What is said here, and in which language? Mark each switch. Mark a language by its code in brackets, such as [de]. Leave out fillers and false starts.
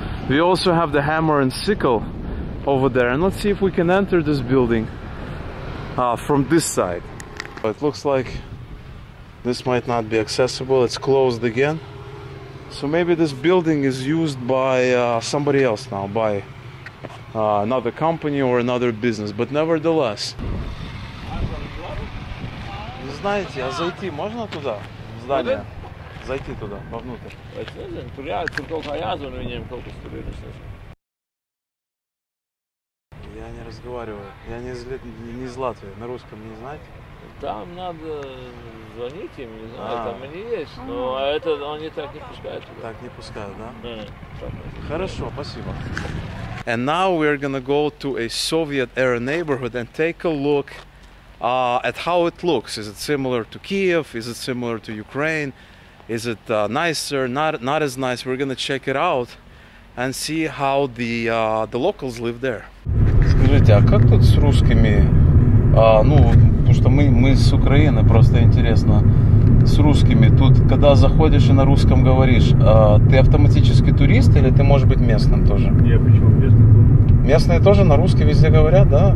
[en] We also have the hammer and sickle over there, and let's see if we can enter this building from this side. It looks like this might not be accessible. It's closed again. So maybe this building is used by somebody else now, by another company or another business, but nevertheless. [ru] Знаете, а зайти можно туда? В здание? Зайти туда, вовнутрь. Я не раз. разговариваю. Я не из Латвии. На русском не знаете? Там надо звонить им, не знаю, там они есть, но это они так не пускают. Туда. Так не пускают, да? Да. Хорошо, спасибо. [en] And now we're going to go to a Soviet-era neighborhood and take a look at how it looks. Is it similar to Kiev? Is it similar to Ukraine? Is it nicer? Not as nice. We're going to check it out and see how the locals live there. [ru] Скажите, а как тут с русскими? Ну, потому что мы с Украины, просто интересно. С русскими тут, когда заходишь и на русском говоришь, ты автоматически турист или ты можешь быть местным тоже? Не, почему местный тоже? Местные тоже на русском везде говорят, да?